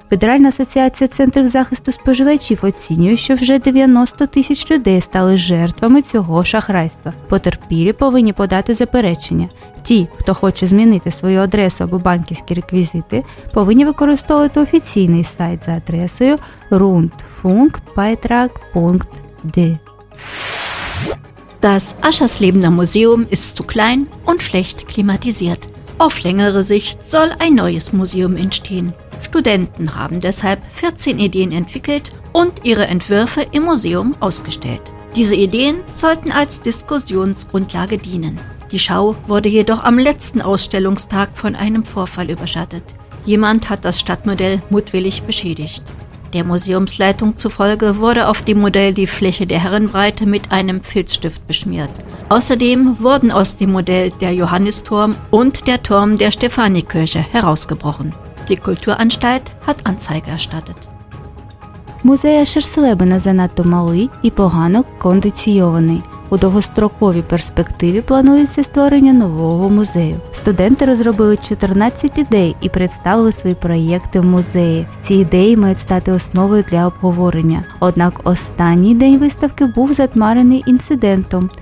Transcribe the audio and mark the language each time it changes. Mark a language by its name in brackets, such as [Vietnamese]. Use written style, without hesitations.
[Ukrainian] Федеральна асоціація центрів захисту споживачів оцінює, що вже 90 тисяч людей стали жертвами цього шахрайства. Потерпілі повинні подати заперечення. Ті, хто хоче змінити свою адресу або банківські реквізити, повинні використовувати офіційний сайт за адресою rundfunkbeitrag.de. [German] Das Aschersleben Museum ist zu klein und schlecht klimatisiert. Auf längere Sicht soll ein neues Museum entstehen. Studenten haben deshalb 14 Ideen entwickelt und ihre Entwürfe im Museum ausgestellt. Diese Ideen sollten als Diskussionsgrundlage dienen. Die Schau wurde jedoch am letzten Ausstellungstag von einem Vorfall überschattet. Jemand hat das Stadtmodell mutwillig beschädigt. Der Museumsleitung zufolge wurde auf dem Modell die Fläche der Herrenbreite mit einem Filzstift beschmiert. Außerdem wurden aus dem Modell der Johannisturm und der Turm der Stefanikirche herausgebrochen. Die Kulturanstalt hat Anzeige erstattet. [Ukrainian] Музей Ашерслебена занадто малий і погано кондиціонований. У довгостроковій перспективі планується створення нового музею. Студенти розробили 14 ідей і представили свої проєкти в музеї. Ці ідеї мають стати основою для обговорення. Однак останній день виставки був затьмарений інцидентом.